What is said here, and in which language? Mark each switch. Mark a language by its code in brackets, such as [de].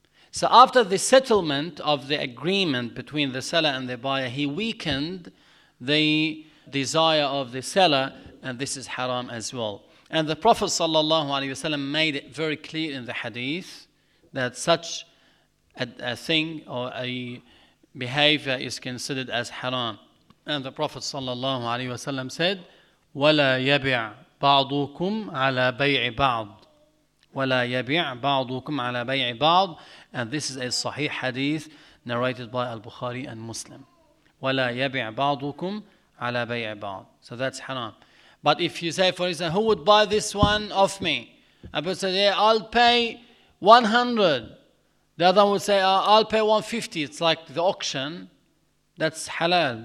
[en] So after the settlement of the agreement between the seller and the buyer, he weakened the desire of the seller, and this is haram as well. And the Prophet ﷺ made it very clear in the hadith that such a thing or a behavior is considered as haram. And the Prophet ﷺ said, [ar] وَلَا يَبِعْ بَعْضُكُمْ عَلَى بَيْعِ بَعْضٍ وَلَا يَبِعْ بَعْضُكُمْ عَلَى بَيْعِ بَعْضٍ. [en] And this is a sahih hadith narrated by Al-Bukhari and Muslim. [ar] وَلَا يَبِعْ بَعْضُكُمْ عَلَى بَيْعِ بَعْضٍ. [en] So that's haram. But if you say, for example, who would buy this one off me? A person would say, yeah, I'll pay 100. The other one would say, I'll pay 150. It's like the auction. That's halal.